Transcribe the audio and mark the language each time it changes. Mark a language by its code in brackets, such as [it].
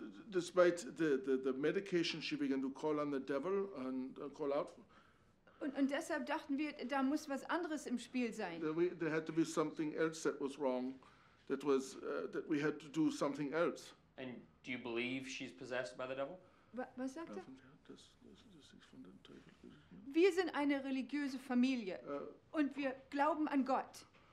[en] Despite the medication, she began to call on the devil and call out. [de] Und deshalb dachten wir, da muss was anderes im Spiel sein. [en] There had to be something else that was wrong, that we had to do something else. And do you believe she's possessed by the devil? [de] Was sagt er? Wir sind eine religiöse Familie und wir glauben an Gott.